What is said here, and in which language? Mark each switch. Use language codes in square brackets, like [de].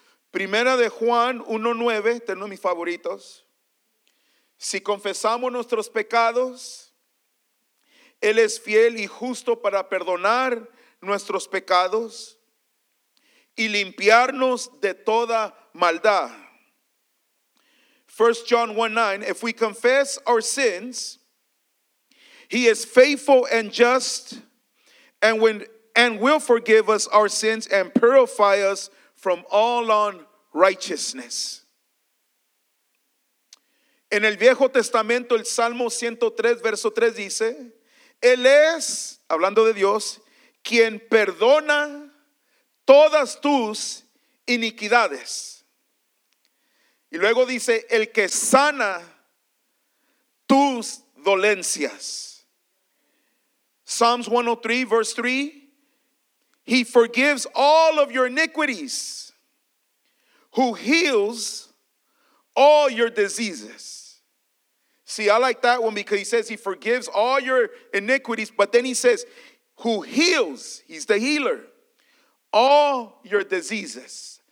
[es] Primera de Juan 1:9, tengo mis favoritos. Si confesamos nuestros pecados, Él es fiel y justo para perdonar nuestros pecados y limpiarnos de toda maldad. [en] 1 John 1:9, if we confess our sins, He is faithful and just and will forgive us our sins and purify us from all unrighteousness. [es] En el Viejo Testamento, el Salmo 103, verso 3 dice, Él es, hablando de Dios, quien perdona todas tus iniquidades. Y luego dice, el que sana tus dolencias. [en] Psalms 103, verse 3, He forgives all of your iniquities, who heals all your diseases. See, I like that one because he says he forgives all your iniquities, but then he says, who heals, he's the healer, all your diseases.